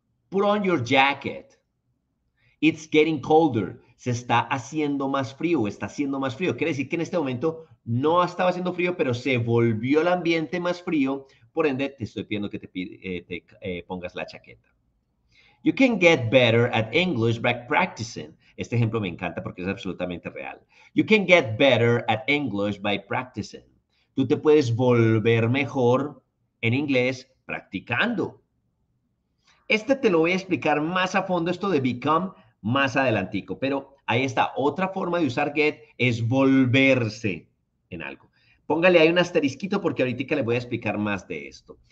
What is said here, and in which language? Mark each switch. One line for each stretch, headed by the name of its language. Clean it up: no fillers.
English: Put on your jacket. It's getting colder.
Spanish: Se está haciendo más frío, está haciendo más frío. Quiere decir que en este momento no estaba haciendo frío, pero se volvió el ambiente más frío. Por ende, te estoy pidiendo que te pongas la chaqueta.
English: You can get better at English by practicing.
Spanish: Este ejemplo me encanta porque es absolutamente real.
English: You can get better at English by practicing.
Spanish: Tú te puedes volver mejor en inglés practicando. Este te lo voy a explicar más a fondo, esto de become. Más adelantico, pero ahí está. Otra forma de usar get es volverse en algo. Póngale ahí un asterisquito porque ahorita le voy a explicar más de esto.